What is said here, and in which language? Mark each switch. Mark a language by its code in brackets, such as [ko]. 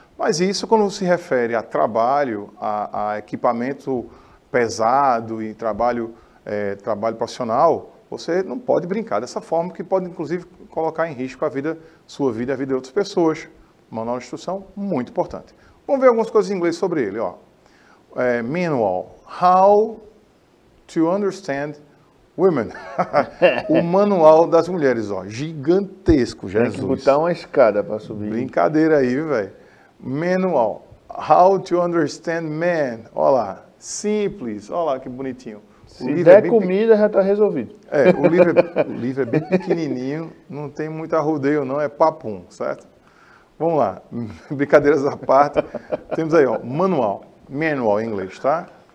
[pt] Mas isso quando se refere a trabalho, a equipamento pesado e trabalho profissional, você não pode brincar dessa forma, que pode inclusive colocar em risco a vida, sua vida e a vida de outras pessoas. Manual de instrução, muito importante. Vamos ver algumas coisas em inglês sobre ele, ó. [en] Manual, how to understand women. [pt] O manual das mulheres, ó, gigantesco, Jesus. Tem que botar uma escada para subir. Brincadeira aí, velho. [en] Manual, how to understand men. [pt] Olha lá, simples. Olha lá que bonitinho. Se der comida, já está resolvido. É, o livro é bem pequenininho, não tem muito arrudeio não, é papum, certo? Vamos lá, brincadeiras à parte. Temos aí, ó, manual. Manual em inglês, tá?